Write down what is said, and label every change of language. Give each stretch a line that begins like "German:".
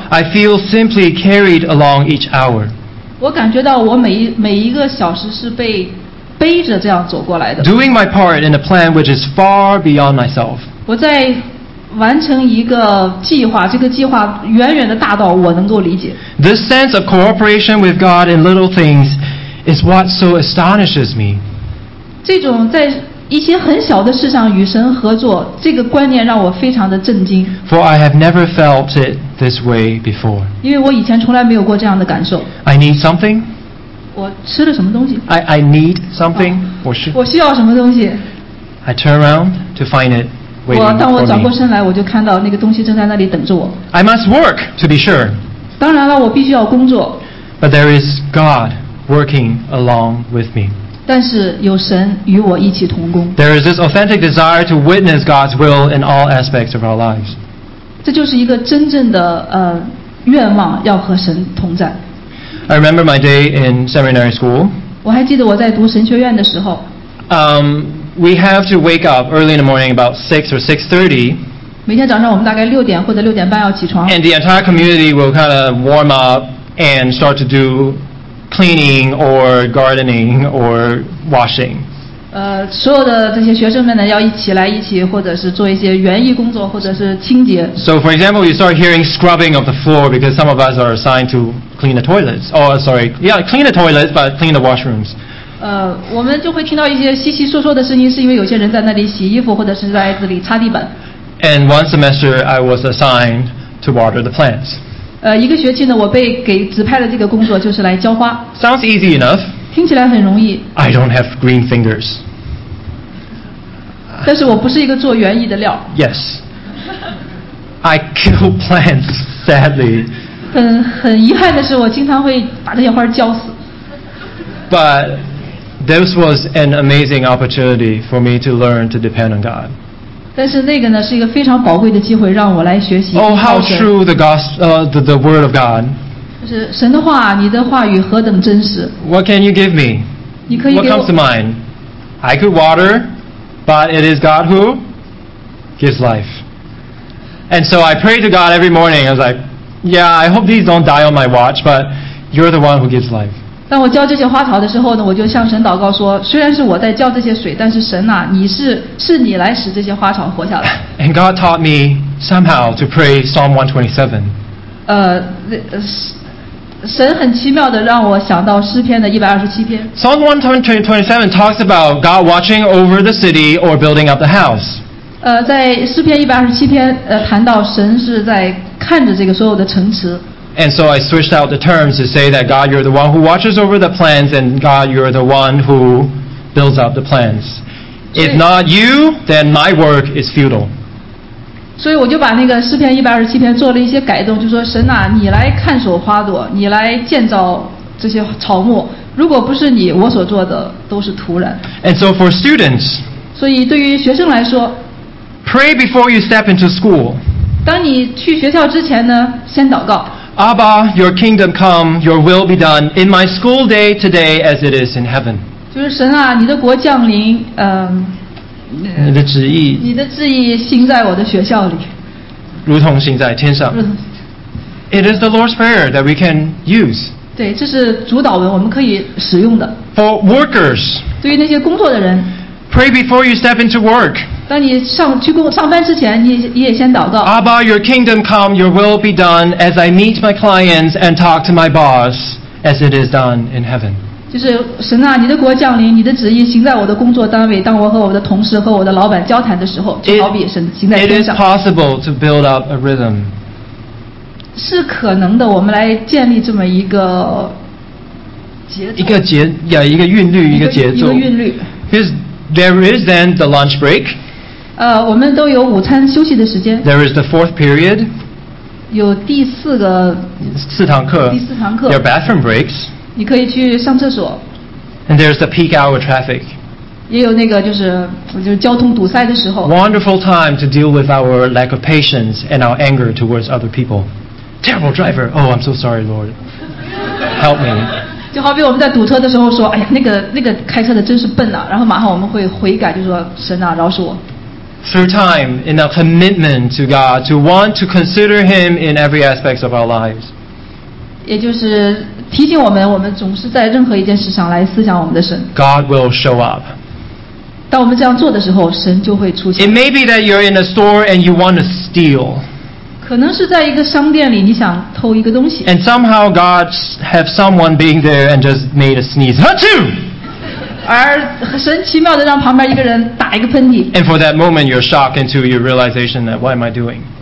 English: I feel simply carried along each hour.
Chinese: 我感觉到我每一个小时是被背着这样走过来的。
English: Doing my part in a plan which is far beyond myself.
Chinese: 我在完成一个计划，这个计划远远的大到我能够理解。
English: This sense of cooperation with God in little things is what so astonishes me.
Chinese: 这种在一些很小的事上与神合作，这个观念让我非常的震惊。
English: For I have never felt it this way before.
Chinese: 因为我以前从来没有过这样的感受。
English: I need something.
Chinese: 我吃了什么东西？
English: I need something.
Chinese: 我需要什么东西？
English: I turn around to find it.
Chinese: 当我转过身来，我就看到那个东西正在那里等着我。
English: I must work to be sure.
Chinese: 当然了，我必须要工作。
English: But there is God working along with me.
Chinese: 但是有神与我一起同工。
English: There is this authentic desire to witness God's will in all aspects of our lives.
Chinese: 这就是一个真正的愿望，要和神同在。
English: I remember my day in seminary school.
Chinese: 我还记得我在读神学院的时候。
English: We have to wake up early in the morning about 6 or 6:30.
Chinese: 每天早上我们大概六点或者六点半要起床。
English: And the entire community will kind of warm up and start to do cleaning or gardening or washing.
Chinese: 所有的这些学生们呢要一起来一起或者是做一些园艺工作或者是清洁。
English: So for example, you start hearing scrubbing of the floor because some of us are assigned to clean the toilets. Clean the toilets, but clean the washrooms.
Chinese: 我们就会听到一些稀稀疏疏的声音，是因为有些人在那里洗衣服，或者是在这里擦地板。
English: And one semester, I was assigned to water the plants.
Chinese: 一个学期呢，我被给指派的这个工作就是来浇花。
English: Sounds easy enough.
Chinese: 听起来很容易。
English: I don't have green fingers.
Chinese: 但是我不是一个做园艺的料。
English: Yes. I kill plants, sadly.
Chinese: 很遗憾的是，我经常会把这些花浇死。
English: But this was an amazing opportunity for me to learn to depend on God.
Chinese: 但是那个呢是一个非常宝贵的机会，让我来学习。
English: Oh, how true the gospel, the word of God.
Chinese: 就是神的话，你的话语何等真实。
English: What can you give me?
Chinese: 你可以给我。
English: What comes to mind? I could water, but it is God who gives life. And so I pray to God every morning. I was like, yeah, I hope these don't die on my watch, but you're the one who gives life.
Chinese: 当我浇这些花草的时候呢，我就向神祷告说，虽然是我在浇这些水，但是神啊，是你来使这些花草活下来。
English: And God taught me somehow to pray Psalm 127.
Chinese: 神很奇妙的让我想到诗篇的127篇。
English: Psalm 127 talks about God watching over the city or building up the house.
Chinese: 在诗篇127篇谈到神是在看着这个所有的城池。
English: And so I switched out the terms to say that God, you're the one who watches over the plans, and God, you're the one who builds up the plans. If not you, then my work is futile.
Chinese: 所以我就把那个诗篇一百二十七篇做了一些改动，就说神啊，你来看守花朵，你来建造这些草木，如果不是你，我所做的都是徒然。
English: And so for students,
Chinese: 所以对于学生来说，
English: pray before you step into school.
Chinese: 当你去学校之前呢，先祷告。
English: Abba, your kingdom come, your will be done in my school day today as it is in heaven.
Chinese: 就是神啊，你的国降临，嗯。你的旨意，你的旨意行在我的学校里，如同行在天上。
English: It is the Lord's prayer that we can use.
Chinese: 对，这是主导文，我们可以使用的。
English: For workers,
Chinese: 对于那些工作的人。
English: Pray before you step into work.
Chinese: 当你上班之前，你也先祷告。
English: Abba, your kingdom come, your will be done, as I meet my clients and talk to my boss, as it is done in heaven.
Chinese: 就是神啊，你的国降临，你的旨意行在我的工作单位。当我和我的同事和我的老板交谈的时候，就好比神行在天上。
English: It is possible to build up a rhythm.
Chinese: 是可能的，我们来建立这么一个节奏，一个韵律，一个节奏，一个韵律。
English: Because there is then the lunch break.
Chinese: 我们都有午餐休息的时间。
English: There is the fourth period.
Chinese: 有第四个四堂课。第四堂课。
English: There are bathroom breaks.
Chinese: 你可以去上厕所。
English: And there's the peak hour traffic.
Chinese: 也有那个就是交通堵塞的时候。
English: Wonderful time to deal with our lack of patience and our anger towards other people. Terrible driver. Oh, I'm so sorry, Lord. Help me.
Chinese: 就好比我们在堵车的时候说，哎呀，那个开车的真是笨啊。然后马上我们会悔改，就说神啊，饶恕我。
English: Through time in a commitment to God, to want to consider Him in every aspect of our lives.
Chinese: 也就是提醒我们，我们总是在任何一件事上来思想我们的神。
English: God will show up.
Chinese: 当我们这样做的时候，神就会出现。
English: It may be that you're in a store and you want to steal.
Chinese: 可能是在一个商店里，你想偷一个东西。
English: And somehow God have someone being there and just made a sneeze. Achoo!
Chinese: 而神奇妙的让旁边一个人打一个喷嚏。
English: And for that moment, you're shocked into your realization that what am I doing?